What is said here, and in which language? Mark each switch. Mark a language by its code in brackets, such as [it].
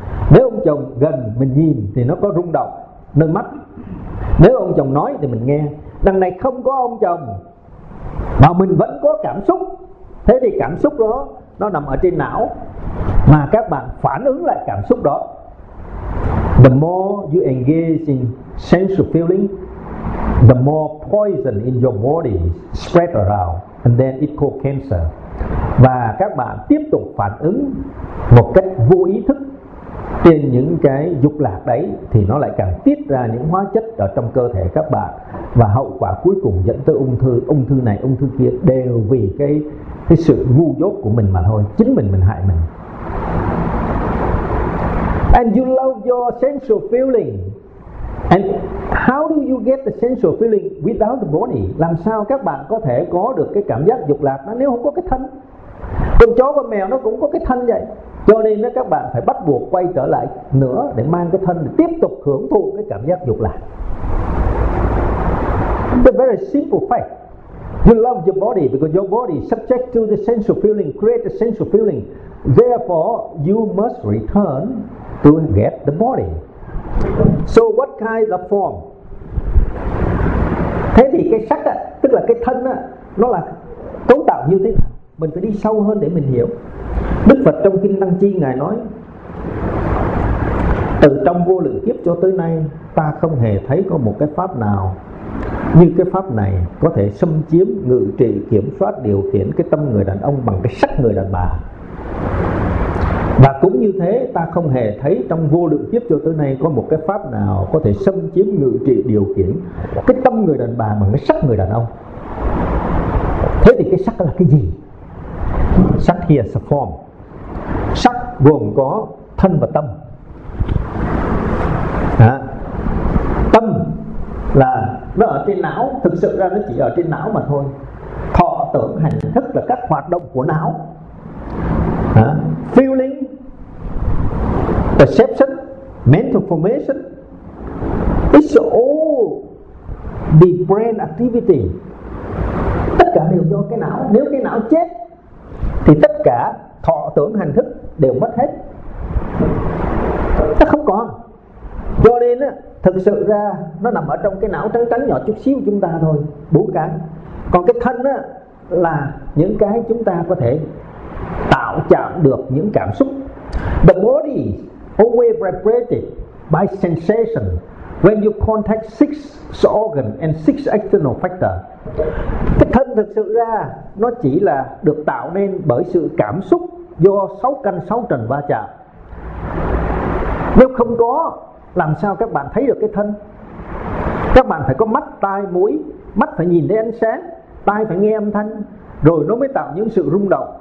[vi] Nếu ông chồng gần mình nhìn thì nó có rung động nơi mắt. Nếu ông chồng nói thì mình nghe. Đằng này không có ông chồng mà mình vẫn có cảm xúc. Thế thì cảm xúc đó nó nằm ở trên não, mà các bạn phản ứng lại cảm xúc đó. [en] The more you engage in sensual feeling, the more poison in your body spread around, and then it called cancer. [vi] Và các bạn tiếp tục phản ứng một cách vô ý thức trên những cái dục lạc đấy, thì nó lại càng tiết ra những hóa chất ở trong cơ thể các bạn, và hậu quả cuối cùng dẫn tới ung thư này, ung thư kia, đều vì cái sự ngu dốt của mình mà thôi. Chính mình hại mình. [en] And you love your sensual feeling. And how do you get the sensual feeling without the body? [vi] Làm sao các bạn có thể có được cái cảm giác dục lạc đó nếu không có cái thân? Con chó con mèo nó cũng có cái thân vậy. Cho nên đó, các bạn phải bắt buộc quay trở lại nữa để mang cái thân để tiếp tục hưởng thụ cái cảm giác dục lạc. [en] It's a very simple fact. You love your body because your body subject to the sensual feeling, create the sensual feeling. Therefore, you must return to get the body. So what kind of form? [vi] Thế thì cái sắc á, tức là cái thân á, nó là cấu tạo như thế nào? Mình phải đi sâu hơn để mình hiểu. Đức Phật trong Kinh Tăng Chi Ngài nói, từ trong vô lượng kiếp cho tới nay, ta không hề thấy có một cái pháp nào như cái pháp này có thể xâm chiếm, ngự trị, kiểm soát, điều khiển cái tâm người đàn ông bằng cái sắc người đàn bà. Và cũng như thế, ta không hề thấy trong vô lượng kiếp cho tới nay có một cái pháp nào có thể xâm chiếm, ngự trị, điều khiển cái tâm người đàn bà bằng cái sắc người đàn ông. Thế thì cái sắc là cái gì? Sắc [en] here is a form. [vi] Sắc gồm có thân và tâm. Đó. Tâm là nó ở trên não, thực sự ra nó chỉ ở trên não mà thôi. Thọ tưởng hành thức là các hoạt động của não. [en] Feeling, perception, mental formation, it's all the brain activity. [vi] Tất cả đều do cái não. Nếu cái não chết thì tất cả thọ tưởng hành thức đều mất hết, nó không còn. Cho nên á, thực sự ra nó nằm ở trong cái não trắng trắng nhỏ chút xíu chúng ta thôi, bốn cái. Còn cái thân á, là những cái chúng ta có thể tạo chạm được những cảm xúc. [en] The body always vibrated by sensation when you contact six organ and six external factor. [vi] Cái thân thực sự ra nó chỉ là được tạo nên bởi sự cảm xúc do sáu căn sáu trần va chạm. Nếu không có, làm sao các bạn thấy được cái thân? Các bạn phải có mắt, tai, mũi. Mắt phải nhìn thấy ánh sáng, tai phải nghe âm thanh, rồi nó mới tạo những sự rung động.